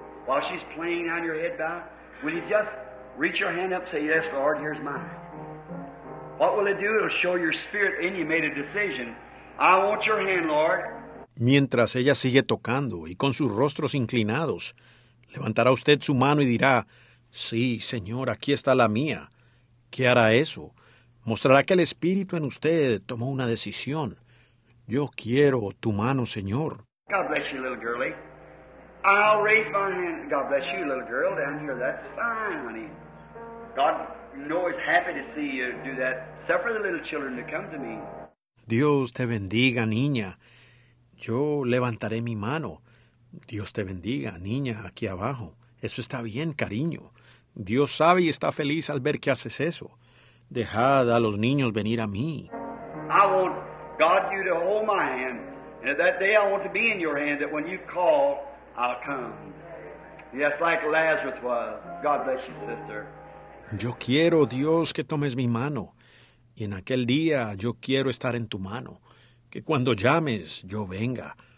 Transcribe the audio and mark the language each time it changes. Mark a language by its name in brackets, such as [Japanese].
[English] While she's playing on your head bow, will you just reach your hand up and say, yes, Lord, here's mine. What will it do? It'll show your spirit in you made a decision. I want your hand, Lord. [Spanish] Mientras ella sigue tocando y con sus rostros inclinados, levantará usted su mano y dirá, sí, Señor, aquí está la mía. ¿Qué hará eso? Mostrará que el Espíritu en usted tomó una decisión. Yo quiero tu mano, Señor. [English] God bless you, little girlie. I'll raise my hand. God bless you, little girl, down here. That's fine, honey. God knows happy to see you do that. Suffer the little children to come to me. [Spanish] Dios te bendiga, niña. Yo levantaré mi mano. Dios te bendiga, niña, aquí abajo. Eso está bien, cariño. Dios sabe y está feliz al ver que haces eso. Dejad a los niños venir a mí. [English] I want God you to hold my hand. And that day I want to be in your hand that when you call, I'll come. Yes, like Lazarus was. God bless you, sister. [Spanish] Yo quiero, Dios, que tomes mi mano. Y en aquel día yo quiero estar en tu mano, que cuando llames yo venga.